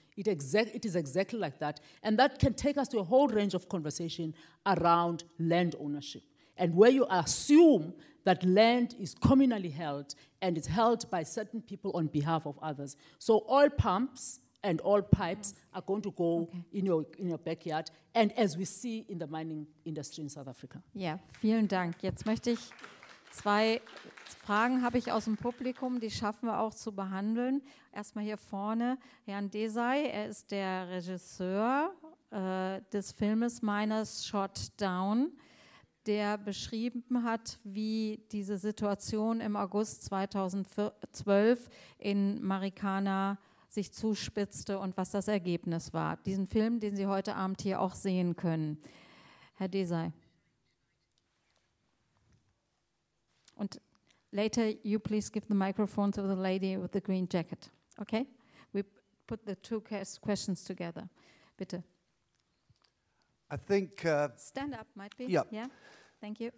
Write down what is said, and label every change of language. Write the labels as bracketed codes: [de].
[en] It is exactly like that. And that can take us to a whole range of conversation around land ownership and where you assume that land is communally held and it's held by certain people on behalf of others. So oil pumps and all pipes are going to go in your backyard, and as we see in the mining industry in South Africa. [de] Ja, vielen Dank. Jetzt möchte ich zwei Fragen habe ich aus dem Publikum, die schaffen wir auch zu behandeln. Erstmal hier vorne, Herrn Desai, er ist der Regisseur des Filmes Miners Shot Down, der beschrieben hat, wie diese Situation im August 2012 in Marikana sich zuspitzte und was das Ergebnis war. Diesen Film, den Sie heute Abend hier auch sehen können. Herr Desai. Und [en] later you please give the microphone to the lady with the green jacket. Okay? We put the two questions together. [de] Bitte. [en] I think... Stand up, might be. Yeah. Yeah? Thank you.